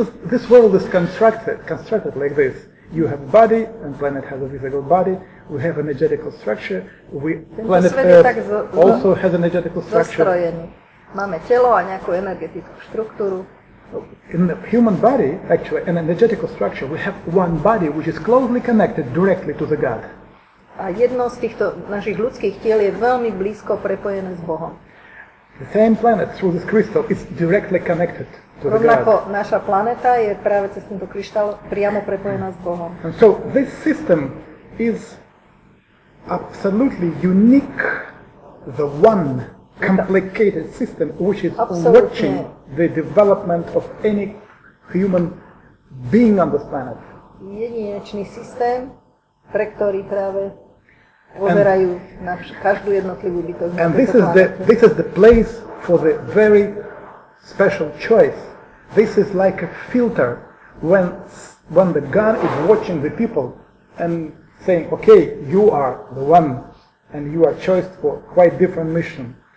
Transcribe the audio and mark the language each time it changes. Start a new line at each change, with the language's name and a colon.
English: This world is constructed like this. You have a body, and planet has a physical body. We have an energetical structure. Planet Earth also has an energetical structure.
Slovak: Máme telo a nejakú energetickú štruktúru.
English: In the human body, actually, an energetical structure, we have one body which is closely connected directly to the God.
Slovak: A jedno z týchto našich ľudských tiel je veľmi blízko prepojené s Bohom.
English: The same planet through this crystal is directly connected to
Slovak: rovnako
English: the God.
Slovak: Rovnako naša planeta je práve cez tento kryštál priamo prepojená s Bohom.
English: And so this system is absolutely unique, the one complicated system which is absolutely watching the development of any human being on this planet.
Slovak: Jedinečný systém, pre ktorý práve pozerajú na každú jednotlivú bytosť.
English: And this is the place for the very special choice. This is like a filter when the God is watching the people and saying, okay, you are the one and you are chosen for quite different mission.